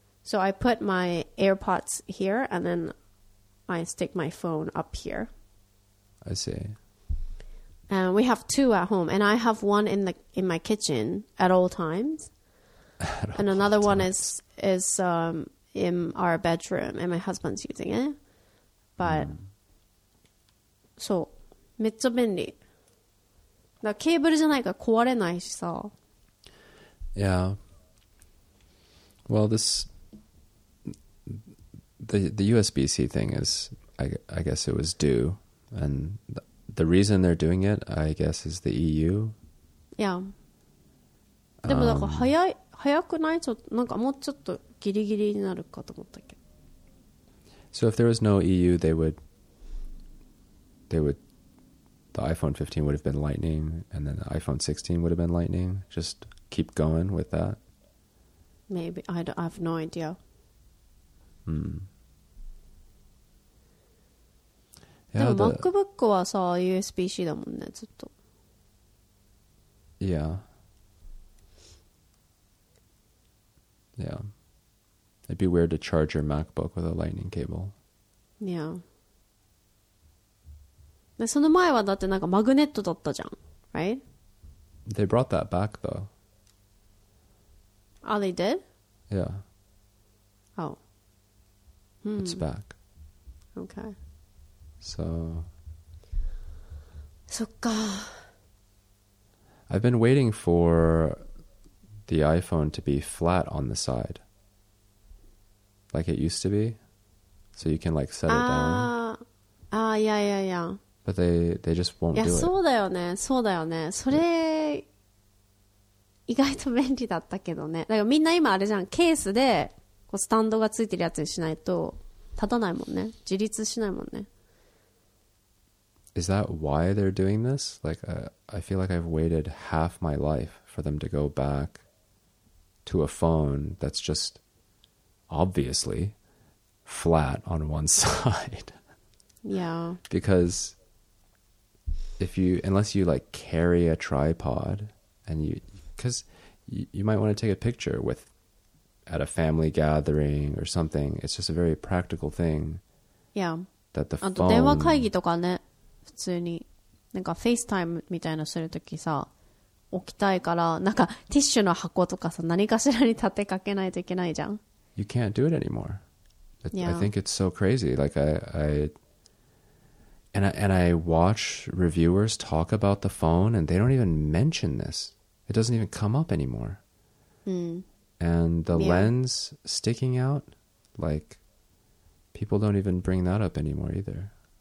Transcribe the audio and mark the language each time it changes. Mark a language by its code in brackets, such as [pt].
[en] So I put my AirPods here and then I stick my phone up here. I see. And we have two at home and I have one in my kitchen at all times. And another one is in our bedroom and my husband's using it. But so, [ja] めっちゃ便利。だからケーブルじゃないから壊れないしさ。 [en] Yeah. Well, this the USB-C thing is I guess it was due and the reason they're doing it, I guess is the EU. Yeah. [ja] でもなんか早くない? ちょっとなんかもうちょっとギリギリになるかと思ったっけ。 [en] So if there was no EU, they would the iPhone 15 would have been lightning and then the iPhone 16 would have been lightning. Just keep going with that. Maybe. I have no idea. Yeah, [ja] でも MacBook はさ USB-C だもんねずっと。 [en] Yeah. Yeah. It'd be weird to charge your MacBook with a lightning cable. Yeah. [ja] その前はだってなんかマグネットだったじゃん。 [en] Right? They brought that back though. Oh, they did? Yeah. Oh. It's back. Okay. So. [ja] そっか。 [en] I've been waiting for... the iPhone to be flat on the side like it used to be so you can like set it down. Ah, yeah, yeah, yeah. But they just won't do it. [ja] そうだよね、そうだよね。それ意外と便利だったけどね。だからみんな今あれじゃん、ケースでこうスタンドがついてるやつにしないと立たないもんね。自立しないもんね。 [en] Is that why they're doing this? Like, I feel like I've waited half my life for them to go back to a phone that's just obviously flat on one side. Yeah. Because unless you like carry a tripod and you, because you might want to take a picture with at a family gathering or something. It's just a very practical thing. Yeah. That the [ja] phone. あと電話会議とかね、普通になんか FaceTime みたいなするときさ。置きたいからなんかティッシュの箱とかさ何かしらに立てかけないといけないじゃん。 [en] You can't do it anymore. I think it's so crazy. Like I watch reviewers talk about the phone and they don't even mention this. It doesn't even come up anymore. And the lens sticking out, like people don't even bring that up anymore either.